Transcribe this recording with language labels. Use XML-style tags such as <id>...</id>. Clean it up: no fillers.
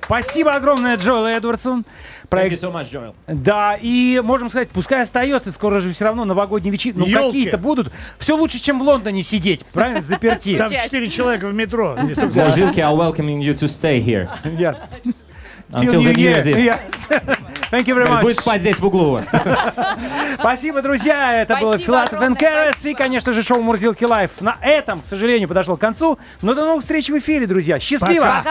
<ru>Спасибо огромное Джоэлу Эдвардсу.</ru> <en>Thank you so much, Joel.</en> <ru>Да, и можем сказать, пускай остается, скоро же все равно новогодние вечеринки, ну какие-то будут. Все лучше, чем в Лондоне сидеть, правильно, заперти. Там 4 человека в метро.</ru> <en>Зилки, I'm welcoming you to stay here. Yeah. Until the New Year's Eve. Thank you very much.</en> <ru>Будет спать здесь в углу. Спасибо, друзья. Это был Филатов & Кэрос. И, конечно же, шоу Мурзилки Лайф. На этом, к сожалению, подошло к концу. Но до новых встреч в эфире, друзья. Счастливо.</ru>